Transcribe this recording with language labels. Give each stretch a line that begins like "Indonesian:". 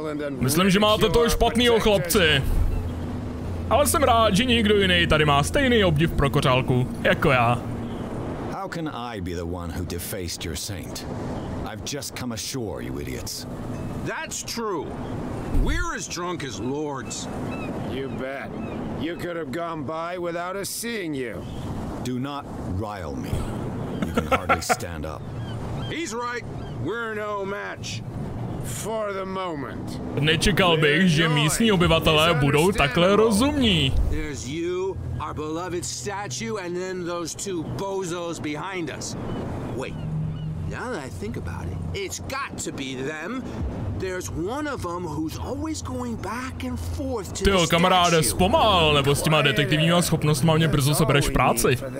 Czech: Myslím, že máte to špatnýho, chlapci. Ale jsem rád, že někdo jiný tady má stejný obdiv pro kořálku, jako já.
English: How can I be the one who defaced your saint? I've just come ashore, you idiots. That's true. We're as drunk as lords. You bet. You could have gone by without us seeing you. Do not rile me. You can hardly stand up. He's right. We're no match. For the moment.
Czech: Nečekal bych, že místní obyvatelé budou takhle rozumní.
English: There's you, our beloved statue, and then those two bozos behind us. Wait. Now that I think about it, it's got to be them. There's one of them who's always going back and forth to the statue.
Czech: Tyjo, kamaráde, zpomal, nebo s těma detektivníma schopnostma mě brzo sebereš práci.